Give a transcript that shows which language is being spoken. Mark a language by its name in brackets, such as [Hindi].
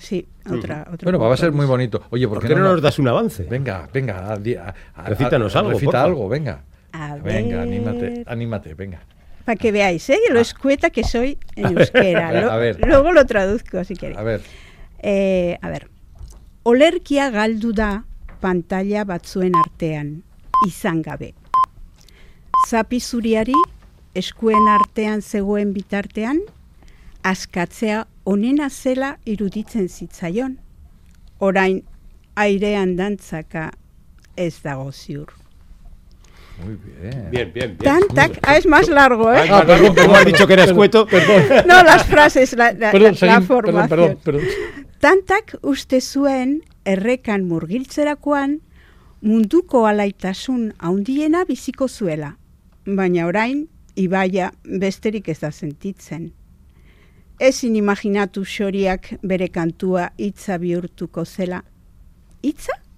[Spanish] Sí, otra, mm, otra bueno, va a ser muy bonito. Oye, ¿por qué no nos das un avance? Venga, recítanos algo, recita porfa. Algo, venga. A ver, anímate, venga. Para que veáis, lo escueta que soy en euskera. A ver. Luego lo traduzco, si queréis. A ver. [Basque] Olerkia galdu da pantalla batzuen artean, izan gabe. Zapi zuriari eskuen artean zegoen bitartean, askatzea onena zela iruditzen zitzaion. orain airean dantzaka ez dago ziur. [Spanish] Muy bien. Bien. Tantak, es más largo, ¿eh? Ah, perdón, como has dicho que era escueto. No, las frases, la formación. Perdón. [Basque] Tantak uste zuen errekan murgiltzerakoan munduko alaitasun haundiena biziko zuela. Baina orain, ibaia besterik ez da sentitzen. Ezin imaginatu xoriak bere kantua hitza bihurtuko zela. Hitza?